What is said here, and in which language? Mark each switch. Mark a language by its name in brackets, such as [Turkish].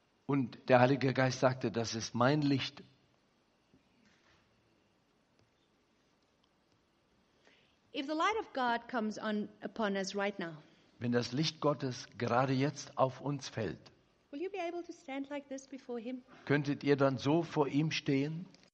[German] Und der Heilige Geist sagte, das ist mein Licht. [English] If the light of God comes on upon us right now, [German] wenn das Licht Gottes gerade jetzt auf uns fällt, [English] will you be able to stand like this before him? [German] Könntet ihr dann so vor ihm stehen?